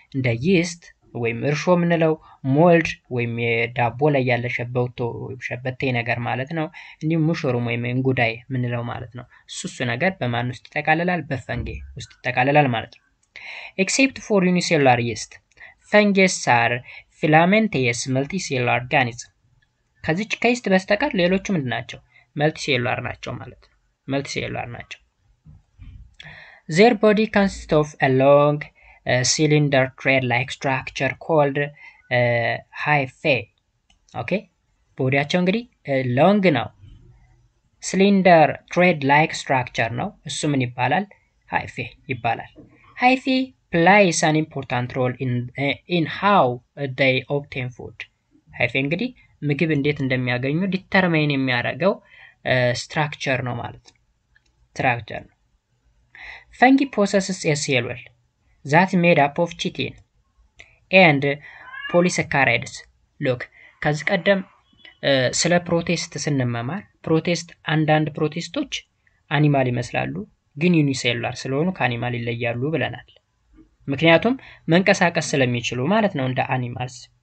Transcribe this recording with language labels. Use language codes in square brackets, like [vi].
[am] እንደ yeast ወይም እርሾ ምንለው mold ወይም የዳቦ ላይ ያለ ሸበውቶ ወይም ሸበቴ ነገር ማለት ነው። እንዲሁም mushroom ወይም እንጉዳይ ምንለው ማለት ነው። እሱ ነገር በማን ውስጥ ተቃለላል? በፈንጊ ውስጥ ተቃለላል ማለት ነው። [en] except for unicellular yeast fungus are filamentous multicellular organisms [am] ከዚች ከyeast በስተቀር ሌሎቹ ምንድናቸው? [en] multicellular [am] ናቸው ማለት ነው። [en] multicellular ናቸው their body consists of a long cylinder thread like structure called [am] hyphae okay bodyያቸው እንግዲህ long ነው cylinder thread like structure ነው እሱ ምን ይባላል hyphae ይባላል [en] hyphae plays an important role in how they obtain food [am] hyphae እንግዲህ ምግብ እንዴት እንደሚያገኙ ዲተርማይን የሚያደርገው structure ነው ማለት ነው structure. [en] Fungi possesses a cell that is made up of chitin and polysaccharides. [am] Look, ከዚህ ቀደም ስለ ፕሮቲስት ስንመማር ፕሮቲስት አንዳንድ ፕሮቲስቶች አኒማል ይመስላሉ ግን ዩኒሴሉላር ስለሆኑ ከአኒማል ይለያሉ ብለናል። ምክንያቱም መንቀሳቀስ ስለሚችሉ ማለት ነው እንደ አኒማልስ።